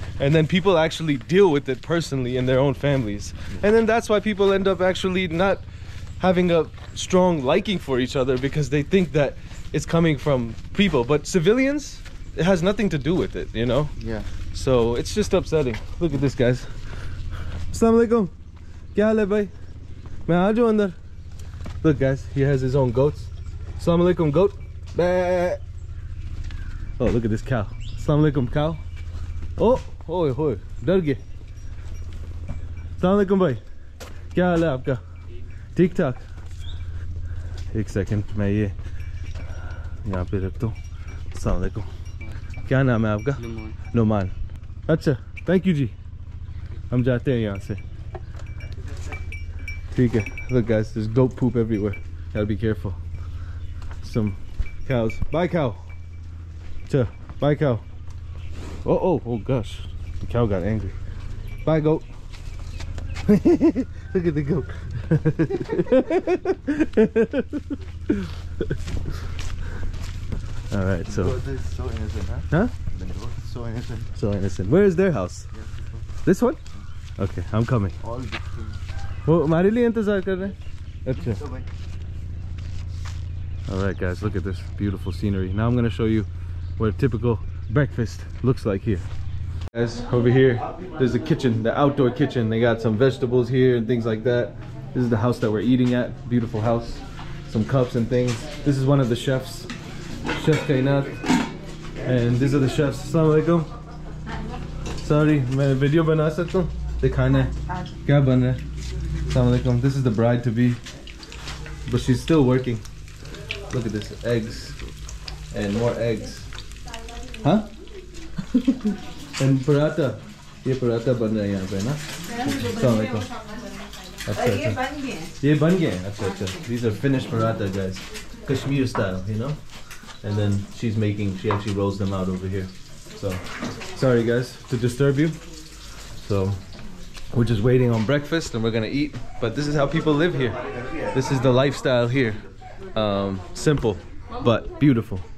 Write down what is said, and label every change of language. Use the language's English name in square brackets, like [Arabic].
[English] And then people actually deal with it personally in their own families. Yeah. And then that's why people end up actually not having a strong liking for each other, because they think that it's coming from people. But civilians, it has nothing to do with it, you know? Yeah. So it's just upsetting. Look at this, guys. [Urdu] Assalamu alaikum. کیا حال ہے بھائی? میں آ جاؤ اندر. [English] Look guys, he has his own goats. Assalamu alaikum goat. Bah. Oh, look at this cow. Assalamu alaikum cow. [Urdu] اوہ, ہوئے ہوئے. ڈر گئے. السلام علیکم بھائی. کیا حال ہے آپکا? ٹھیک ٹھاک. ایک سیکنڈ, میں یہ یہاں پے رکھتا ہوں. Assalamu alaikum. کیا نام ہے آپکا? Numan. Numan. اچھا, [English] thank you [Urdu] جی. ہم جاتے ہیں یہاں سے. [English] Look guys, there's goat poop everywhere. Gotta be careful. Some cows. Bye cow. Cha. Bye cow. Oh, oh, oh gosh. The cow got angry. Bye goat. Look at the goat. All right, so. The goat is so innocent, huh? Huh? The goat is so innocent. So innocent. Where is their house? Yeah, this one? Okay, I'm coming. All the [Urdu] مری لیے انتظار کر رہے ہیں. Acha. [English] All right guys, look at this beautiful scenery. Now I'm going to show you what a typical breakfast looks like here. Guys, over here there's a kitchen, the outdoor kitchen. They got some vegetables here and things like that. This is the house that we're eating at, beautiful house. Some cups and things. This is one of the chefs, Chef Kainat. And these are the chefs. [Urdu] Assalamu alaikum. Sorry, میں video بنا سکتا ہو. دکھانا ہے. کیا بن رہا ہے? Assalamu alaikum. [English] This is the bride-to-be, but she's still working. Look at this, eggs and more eggs. Huh? And paratha. [Urdu] یہ پراٹھا بن رہا ہے یہاں پے نا. Assalamu alaikum. Achha, achha. یہ بن گئے ہیں. اچھا, اچھا. [English] These are finished paratha, guys. Kashmir style, you know? And then she's making, she actually rolls them out over here. So, sorry guys to disturb you. So, we're just waiting on breakfast and we're gonna eat. But this is how people live here. This is the lifestyle here. Simple, but beautiful.